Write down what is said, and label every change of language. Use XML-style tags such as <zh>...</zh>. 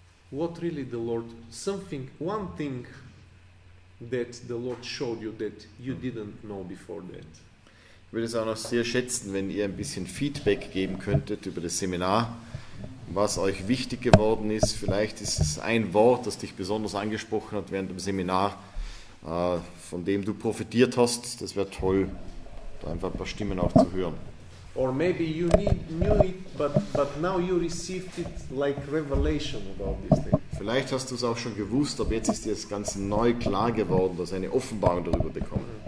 <en>the Lord, something, one thing that the Lord showed you that you didn't know before that.</en> <de>Ich würde es auch noch sehr schätzen, wenn ihr ein bisschen Feedback geben könntet über das Seminar, was euch wichtig geworden ist. Vielleicht ist es ein Wort, das dich besonders angesprochen hat während dem Seminar, von dem du profitiert hast. Das wäre toll, da einfach ein paar Stimmen auch zu hören.</de> <en>Or maybe you knew it, but now you received it like revelation about this thing.</en> <de>Vielleicht hast du es auch schon gewusst, aber jetzt ist dir das Ganze neu klar geworden, dass eine Offenbarung darüber bekommen.</de>